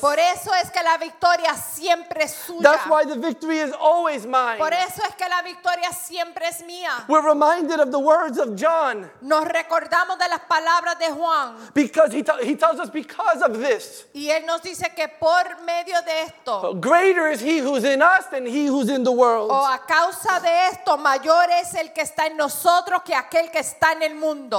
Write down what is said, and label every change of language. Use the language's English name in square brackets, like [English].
[Spanish] Por eso es que la victoria siempre es suya. [English] That's why the victory is always mine. [Spanish] Por eso es que la victoria siempre es mía. [English] We're reminded of the words of John. [Spanish] Nos recordamos de las palabras de Juan. [English] Because he tells us because of this. [Spanish] Y él nos dice que por medio de esto. [English] Greater is he who's in us than he who's in the world. [Spanish] O a causa de esto mayor es el que está en nosotros que aquel que está en el mundo.